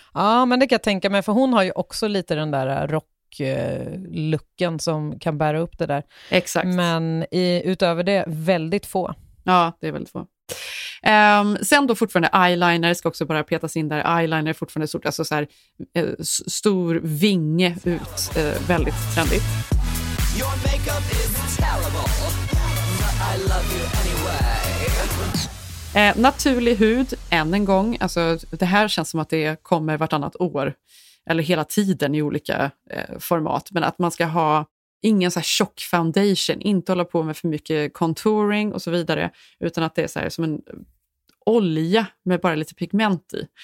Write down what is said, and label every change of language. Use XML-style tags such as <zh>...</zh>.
<sv>Ja, men det kan jag tänka mig. För hon har ju också lite den där rock-looken som kan bära upp det där. Exakt. Men utöver det, väldigt få. Ja, det är väldigt få. Sen då fortfarande eyeliner ska också bara petas in där. Eyeliner är fortfarande stort, alltså så här, stor vinge ut, väldigt trendigt.</sv> <en>Your makeup is terrible, but I love you anyway.</en> <sv>Naturlig hud än en gång, alltså det här känns som att det kommer vartannat år eller hela tiden i olika format, men att man ska ha ingen så här tjock foundation, inte hålla på med för mycket contouring och så vidare, utan att det är så här som en olja med bara lite pigment i.</sv>